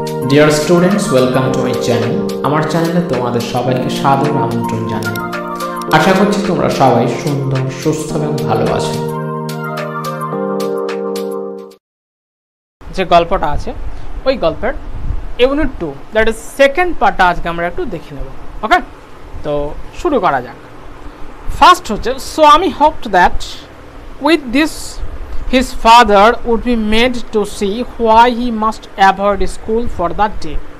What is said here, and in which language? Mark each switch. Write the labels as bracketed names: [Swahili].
[English] Dear students, welcome to my channel. [Bangla] আমার চ্যানেলে তোমাদের সবাইকে স্বাগত আমন্ত্রণ জানাই। আশা করছি তোমরা সবাই সুন্দর, সুস্থ এবং ভালো আছো। যে গল্পটা আছে ওই গল্পের unit 2 that is second part আজকে আমরা একটু দেখে নেব। ওকে, তো শুরু করা যাক। ফার্স্ট হচ্ছে, [English] So আমি hoped that with this His father would be made to see why he must avoid school for that day.